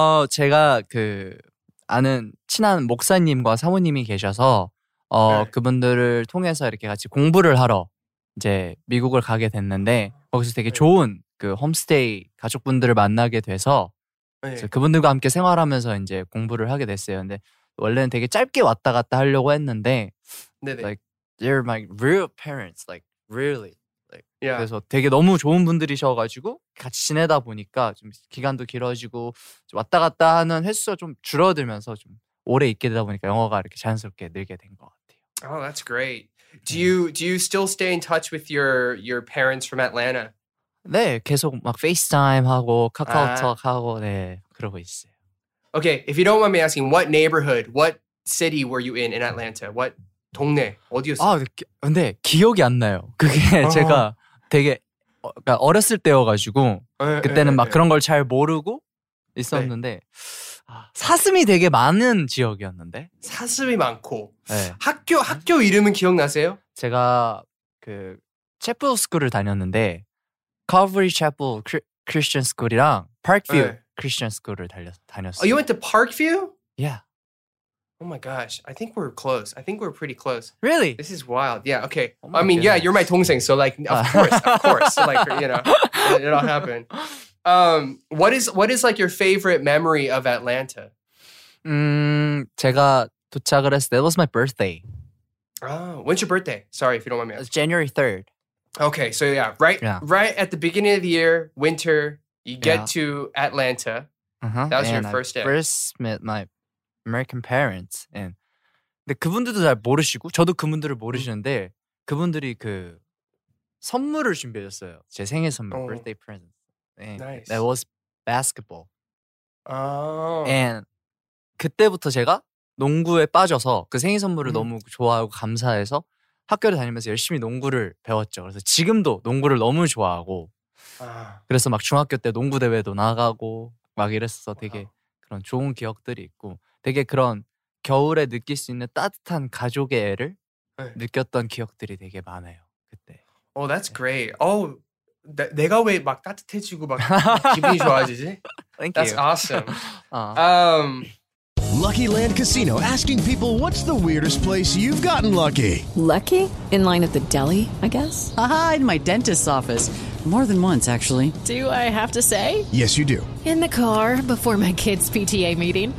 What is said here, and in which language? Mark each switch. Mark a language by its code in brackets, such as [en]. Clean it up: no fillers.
[ko] 제가 그 아는 친한 목사님과 사모님이 계셔서 그분들을 통해서 이렇게 같이 공부를 하러 이제 미국을 가게 됐는데 거기서 되게 좋은 그 홈스테이 가족분들을 만나게 돼서 그분들과 함께 생활하면서 이제 공부를 하게 됐어요. 근데 원래는 되게 짧게 왔다 갔다 하려고 했는데 네네. [en] like they're my real parents like really like yeah. [ko] 그래서 되게 너무 좋은 분들이셔가지고 같이 지내다 보니까 좀 기간도 길어지고 좀 왔다 갔다 하는 횟수가 좀 줄어들면서 좀 오래 있게 되다 보니까 영어가 이렇게 자연스럽게 늘게 된 것 같아요. [en] Oh, that's great. Do you still stay in touch with your parents from Atlanta? [ko] 네, 계속 막 FaceTime 하고 카카오톡 하고 네 그러고 있어요. [en] Okay, if you don't mind me asking, what neighborhood, what city were you in Atlanta? [ko] What 동네 어디였어요? 근데 기억이 안 나요. 그게 제가 되게 그러니까 어렸을 때여가지고 그때는 막 그런 걸 잘 모르고 있었는데. 사슴이 되게 많은 지역이었는데 사슴이 많고 네. 학교 이름은 기억나세요? 제가 그 채플 스쿨을 다녔는데 Calvary Chapel Christian School이랑 Parkview 네. Christian School을 다녔어요. [en] Oh, you went to Parkview? Yeah. Oh my gosh. I think we're close. I think we're pretty close. Really? This is wild. Yeah, okay. Oh I mean, goodness. Yeah, you're my 동생. So like of course. So like, you know, it'll happen. What is like your favorite memory of Atlanta? [ko] 제가 도착을 했을 때, [en] that was my birthday. Oh, when's your birthday? Sorry, if you don't mind me asking. It's January 3rd. Okay, so right at the beginning of the year, winter, you get to Atlanta. Uh-huh. That was and your first day. I first met my American parents. [ko] And 근데 그분들도 잘 모르시고, 저도 그분들을 모르시는데, 그분들이 그 선물을 준비해줬어요. 제 생일 선물, birthday present. [en] Nice. That was basketball. Oh. [ko] And 그때부터 제가 농구에 빠져서 그 생일 선물을 너무 좋아하고 감사해서 학교를 다니면서 열심히 농구를 배웠죠. 그래서 지금도 농구를 너무 좋아하고 그래서 막 중학교 때 농구 대회도 나가고 막 이랬어서 되게 그런 좋은 기억들이 있고 되게 그런 겨울에 느낄 수 있는 따뜻한 가족의 애를 느꼈던 기억들이 되게 많아요. 그때. [en] Oh, that's great. Oh. [ko] 내가 왜 막 따뜻해지고 막 기분이 좋아지지? [en] Thank That's That's awesome. Lucky Land Casino asking people what's the weirdest place you've gotten lucky? Lucky? In line at the deli, I guess. Aha, in my dentist's office. More than once, actually. Do I have to say? Yes, you do. In the car before my kids' PTA meeting.